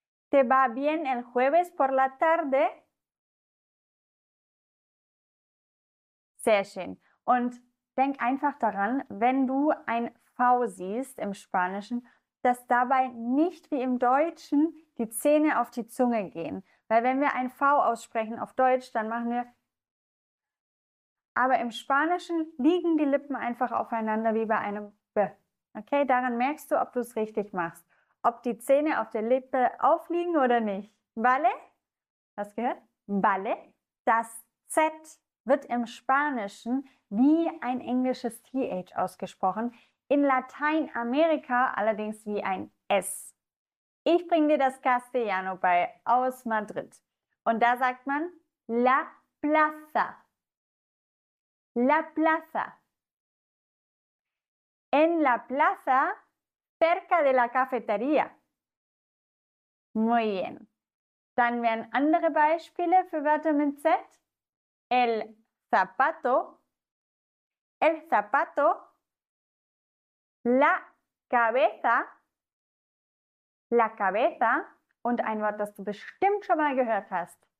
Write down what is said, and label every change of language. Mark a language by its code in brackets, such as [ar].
[es] ¿Te va bien el jueves por la tarde? [de] Sehr schön. Und denk einfach daran, wenn du ein V siehst im Spanischen, dass dabei nicht wie im Deutschen die Zähne auf die Zunge gehen. Weil wenn wir ein V aussprechen auf Deutsch, dann machen wir... Aber im Spanischen liegen die Lippen einfach aufeinander wie bei einem B. Okay, daran merkst du, ob du es richtig machst. Ob die Zähne auf der Lippe aufliegen oder nicht. Vale? Hast du gehört? Vale? Das Z wird im Spanischen wie ein englisches TH ausgesprochen. In Lateinamerika allerdings wie ein S. Ich bringe dir das Castellano bei aus Madrid. Und da sagt man [es] La Plaza. La Plaza. En la Plaza, cerca de la cafetería. Muy bien. [de] Dann wären andere Beispiele für Wörter mit Z. [es] El zapato. El zapato. La cabeza. La cabeza. [de] Und ein Wort, das du bestimmt schon mal gehört hast.